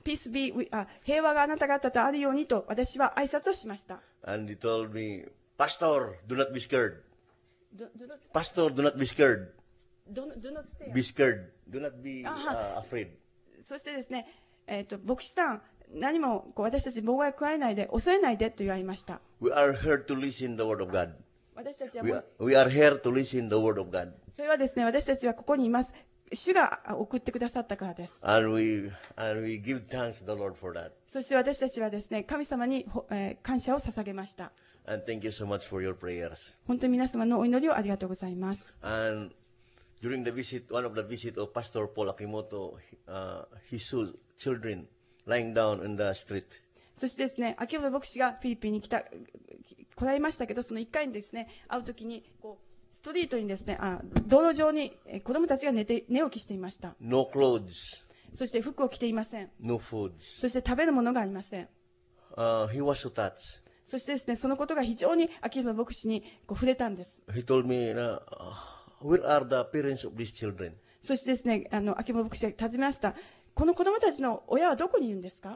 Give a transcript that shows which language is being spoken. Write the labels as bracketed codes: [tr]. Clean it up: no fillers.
[en] Peace be with, [ja] 平和があなた方とあるようにと私は挨拶をしました。 [en] And he told me, Pastor, do not be scared. Pastor, do not be scared. Do not stay. Be scared. Do not be afraid. [ja] そしてですね、牧師さん、何もこう私たちに妨害を加えないで、恐れないでと言われました。 [en] We are here to listen the word of God. [ja] 私たちは [en] we are here to listen the word of God. [ja] それはですね、私たちはここにいます。主が送ってくださったからです。 [en] And we give thanks to the Lord for that. [ja] そして私たちはですね、神様に、感謝を捧げました。 [en] And thank you so much for your prayers. [ja] 本当に皆様のお祈りをありがとうございます。 [en] And during the visit, one of the visit of Pastor Paul Akimoto, he saw children lying down in the street. [ja] そしてですね、秋元牧師がフィリピンに来られましたけど、その1回にですね、会うときにこう、ストリートにですね、道路上に子どもたちが寝起きしていました。 [en] No clothes. [ja] そして服を着ていません。 [en] No food. [ja] そして食べるものがありません。 [en] He was so touched. [ja] そしてですね、そのことが非常に秋元牧師にこう触れたんです。 [en] He told me, where are the parents of these children? [ja] そしてですね、秋元牧師が尋ねました。この子どもたちの親はどこにいるんですか?